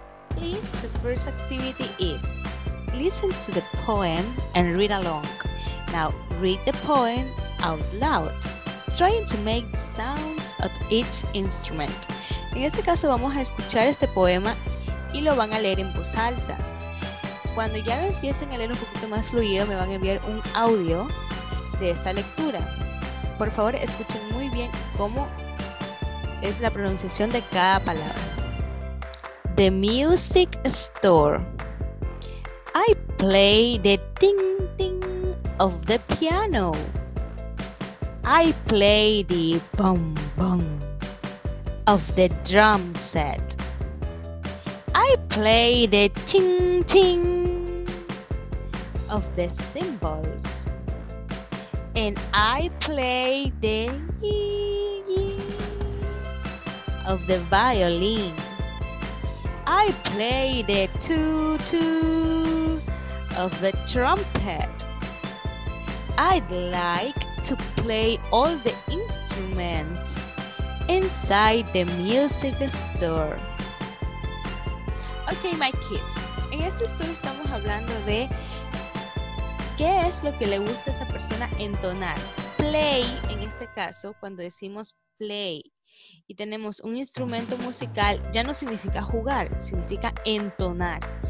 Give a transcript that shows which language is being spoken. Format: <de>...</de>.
<en>Please, the first activity is listen to the poem and read along. Now, read the poem out loud, trying to make the sounds of each instrument.</en> <es>En este caso, vamos a escuchar este poema y lo van a leer en voz alta. Cuando ya lo empiecen a leer un poquito más fluido, me van a enviar un audio de esta lectura. Por favor, escuchen muy bien cómo es la pronunciación de cada palabra.</es> <en>The music store. I play the ting ting of the piano. I play the bum bum of the drum set. I play the ting ting of the cymbals. And I play the yee-yee of the violin. I play the toot-toot of the trumpet. I'd like to play all the instruments inside the music store. Okay, my kids,</en> <es>en este estudio estamos hablando de qué es lo que le gusta a esa persona entonar. Play, en este caso, cuando decimos play y tenemos un instrumento musical, ya no significa jugar, significa entonar.</es>